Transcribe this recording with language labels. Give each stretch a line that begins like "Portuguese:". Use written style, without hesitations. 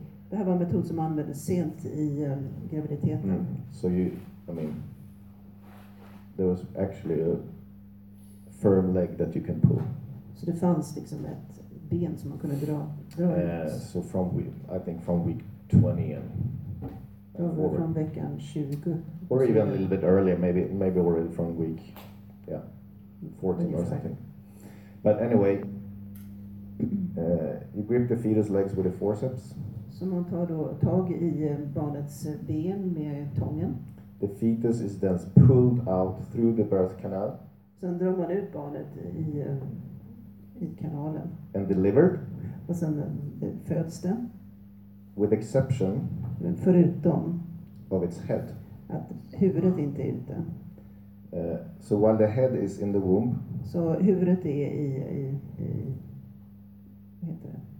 Swedish: Det här var en metod som användes sent i graviditeten. Mm.
English: So you, I mean, there was actually a firm leg that you can pull.
Swedish: Så det fanns liksom ett ben som man kunde dra.
English: So from week, I think from week 20 and
Swedish: from veckan 20.
English: Or even a little bit earlier, maybe already from week, 14 or something. But anyway, you grip the fetus legs with the forceps.
Swedish: Så man tar då tag i barnets ben med tången.
English: The fetus is then pulled out through the birth canal.
Swedish: Sen drar man ut barnet i kanalen.
English: And delivered.
Swedish: Och sen föds den.
English: With exception.
Swedish: Förutom.
English: Of its head.
Swedish: Att huvudet inte är ute.
English: So while the head is in the womb.
Swedish: Så huvudet är i vad heter det?